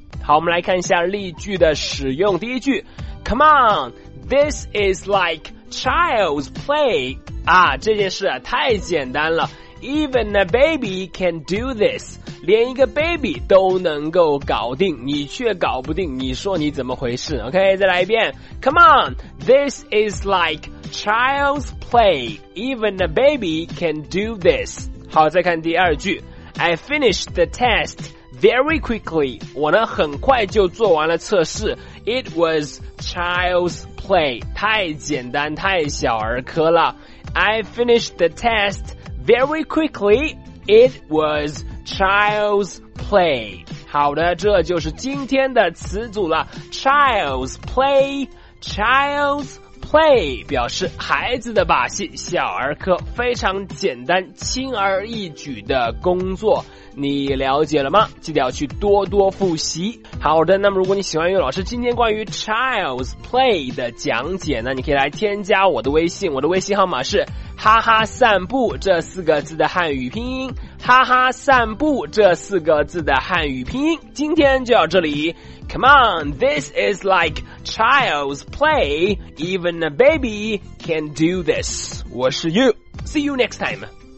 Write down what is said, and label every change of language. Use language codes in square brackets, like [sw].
[zh] 好，我们来看一下例句的使用。第一句， [en] Come on, this is like child's play. [zh] 啊，这件事啊太简单了， [en] Even a baby can do this. [zh] 连一个 baby 都能够搞定，你却搞不定，你说你怎么回事？ [en] OK， 再来一遍， Come on, this is like child's play. Even a baby can do this. [zh] 好，再看第二句， [en] I finished the testVery quickly, [zh] 我呢很快就做完了测试。 [en] It was child's play, [zh] 太简单太小儿科了。 [en] I finished the test very quickly, it was child's play. [zh] 好的，这就是今天的词组了。 [en] Child's play, child's play, [zh] 表示孩子的把戏，小儿科，非常简单，轻而易举的工作。你了解了吗？记得要去多多复习。好的，那么如果你喜欢悠悠老师今天关于 Child's Play 的讲解呢，你可以来添加我的微信，我的微信号码是哈哈散步这四个字的汉语拼音，哈哈散步这四个字的汉语拼音。今天就到这里， [en] Come on, this is like Child's Play, even a baby can do this. [zh] 我是 [en] You, See you next time.